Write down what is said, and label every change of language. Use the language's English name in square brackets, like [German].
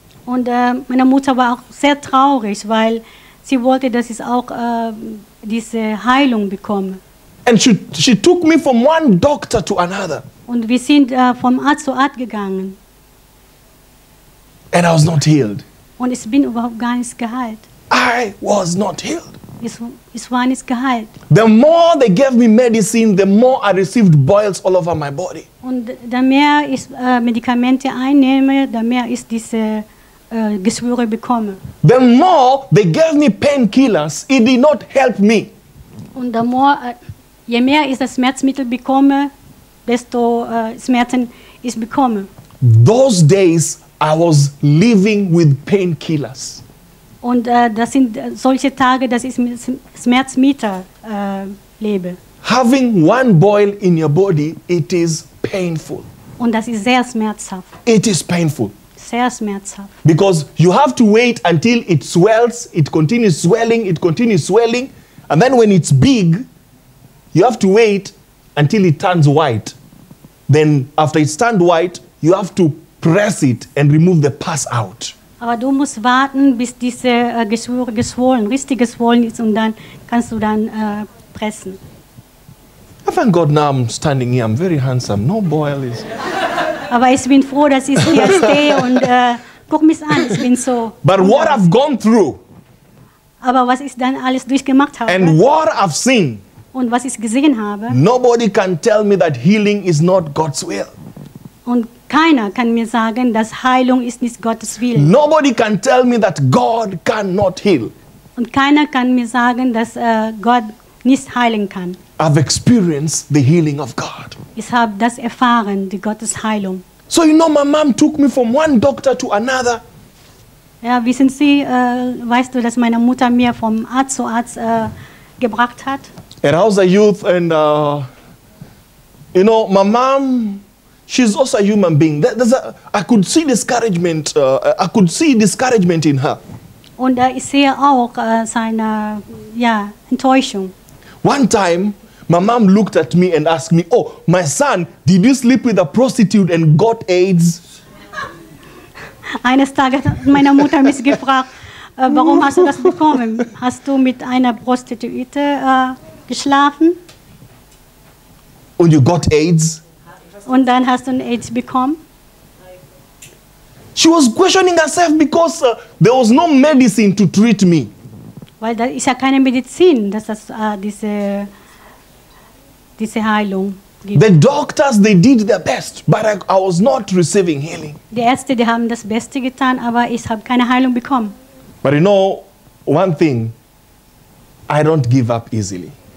[German] Und meine Mutter war auch sehr traurig, weil sie wollte, dass ich auch diese Heilung bekomme. [English] And she took me from one doctor to another. [German] Und wir sind vom Arzt zu Arzt gegangen. [English] And I was not healed. [German] Und ich bin überhaupt gar nicht geheilt. [English] I was not healed. His one is geheilt. The more they gave me medicine, the more I received boils all over my body. [German] Und da mehr ich Medikamente einnehme, da mehr ich diese Geschwüre bekomme. [English] The more they gave me painkillers, it did not help me. [German] Und da mehr je mehr ich das Schmerzmittel bekomme, desto Schmerzen ich bekomme. [English] Those days I was living with painkillers. [German] Und das sind solche Tage, dass ich mit Schmerzmittel lebe. [English] Having one boil in your body, it is painful. [German] Und das ist sehr schmerzhaft. [English] It is painful. [German] Sehr schmerzhaft. [English] Because you have to wait until it swells, it continues swelling, and then when it's big, you have to wait until it turns white. Then after it turns white, you have to press it and remove the pus out. [German] Aber du musst warten, bis diese Geschwüre geschwollen, richtig geschwollen ist, und dann kannst du dann pressen. [English] I thank God now I'm standing here. I'm very handsome. No boil is. [German] Aber ich bin froh, dass ich hier stehe und guck mich an. Ich bin so. [English] But what I've gone through. [German] Aber was ich dann alles durchgemacht habe. [English] And what I've seen. [German] Und was ich gesehen habe. [English] Nobody can tell me that healing is not God's will. [German] Und keiner kann mir sagen, dass Heilung ist nicht Gottes Wille. [English] Nobody can tell me that God cannot heal. [German] Und keiner kann mir sagen, dass Gott nicht heilen kann. [English] I've experienced the healing of God. [German] Ich habe das erfahren, die Gottes Heilung. [English] So you know, my mom took me from one doctor to another. [German] Ja, wissen Sie, weißt du, dass meine Mutter mir vom Arzt zu Arzt gebracht hat? [English] And I was a youth and, you know, my mom... She's also a human being. I could see discouragement in her. [German] Und ich sehe auch seine Enttäuschung. [English] One time, my mom looked at me and asked me, "Oh, my son, did you sleep with a prostitute and got AIDS?" [German] Eines Tages hat meine Mutter mich gefragt, warum hast du das bekommen? Hast du mit einer Prostituierte geschlafen? [English] And you got AIDS? [German] Und dann hast du eine AIDS bekommen. She was questioning herself because there was no medicine to treat me. Weil da ist ja keine Medizin, dass das diese diese Heilung gibt. [English] The doctors, they did their best, but I was not receiving healing. [German] Die Ärzte, die haben das Beste getan, aber ich habe keine Heilung bekommen. [English] But you know, one thing, I don't give up easily.